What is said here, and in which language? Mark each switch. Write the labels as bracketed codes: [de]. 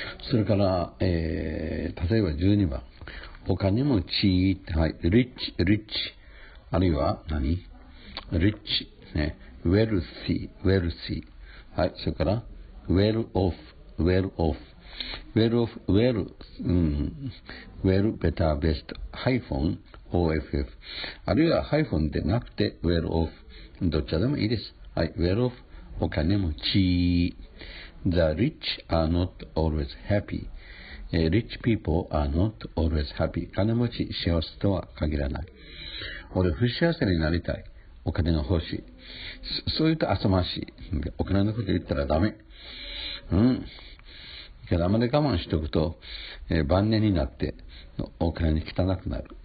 [ja] それから、例えば12番、お金持ち、はい、リッチ、リッチ、あるいは何、何リッチ、ね、ウェルシー、ウェルシー、はい、それから、ウェルオフ、ウェルオフ、ウェルオフ、ウェル、うん、ウェル、ベター、ベスト、ハイフォン、OFF。あるいは、ハイフォンでなくて、ウェルオフ。どっちでもいいです。はい、ウェルオフ、お金持ち。 [en] The rich are not always happy. Rich people are not always happy. [ja] 金持ち、幸せとは限らない。俺、不幸せになりたい。お金が欲しい。そう言うと、あさましい。お金のこと言ったらダメ。うん。けど、あまり我慢しておくと、晩年になって、お金に汚くなる。